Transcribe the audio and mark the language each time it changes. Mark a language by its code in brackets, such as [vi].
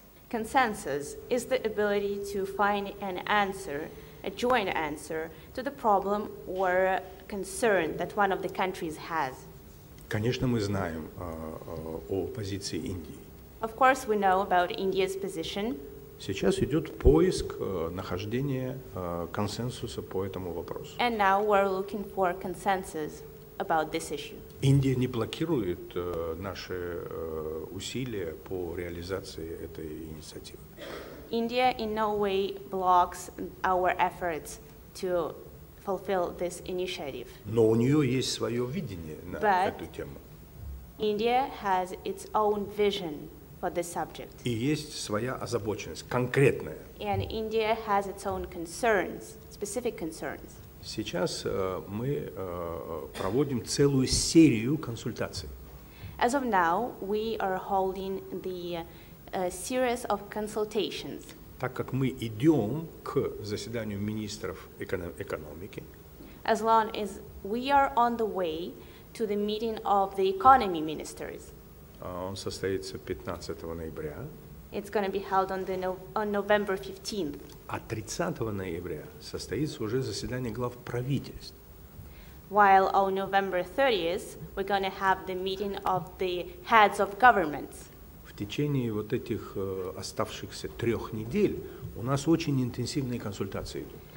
[en] Consensus is the ability to find an answer, a joint answer, to the problem or concern that one of the countries has. [ru] Конечно, мы знаем о позиции Индии. [en] Of course, we know about India's position. [ru] Сейчас идет поиск нахождения консенсуса по этому вопросу. [en] And now we're looking for consensus about this issue. [ru] Индия не блокирует наши усилия по реализации этой инициативы. [en] India in no way blocks our efforts to fulfill this initiative. [ru] Но у нее есть свое видение на эту тему. [en] India has its own vision for this subject. [ru] И есть своя озабоченность, конкретная. [en] And India has its own concerns, specific concerns. [ru] Сейчас мы проводим целую серию консультаций. [en] As of now, we are holding the series of consultations. [ru] Так как мы идем к заседанию министров экономики. [en] As long as we are on the way to the meeting of the economy ministers. [ru] Он состоится 15 ноября. [en] It's going to be held on November 15th. [ru] А 30 ноября состоится уже заседание глав правительств. [en] While on November 30th, we're going to have the meeting of the heads of governments. [ru] В течение вот этих оставшихся трех недель у нас очень интенсивные консультации идут.